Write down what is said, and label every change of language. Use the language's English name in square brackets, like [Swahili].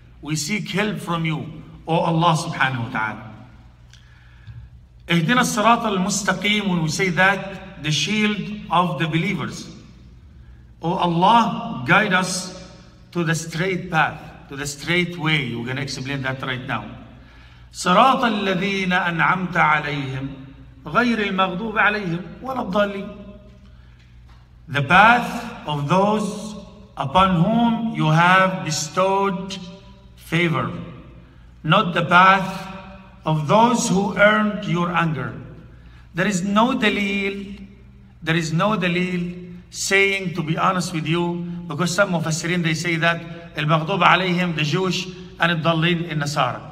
[English] We seek help from you, O Allah subhanahu wa ta'ala. [Arabic] Ihdina as-sirat al-mustaqim, [English] when we say that, the shield of the believers. O Allah, guide us to the straight path, to the straight way. We're going to explain that right now. [Arabic] صراط الذين أنعمت عليهم غير المغضوب عليهم ولا الضالين. [English] The path of those upon whom you have bestowed favor, not the path of those who earned your anger. There is no delil saying, to be honest with you, because some مفسرين they say that [Arabic] المغضوب عليهم [English] the Jewish and الضالين in Nasara.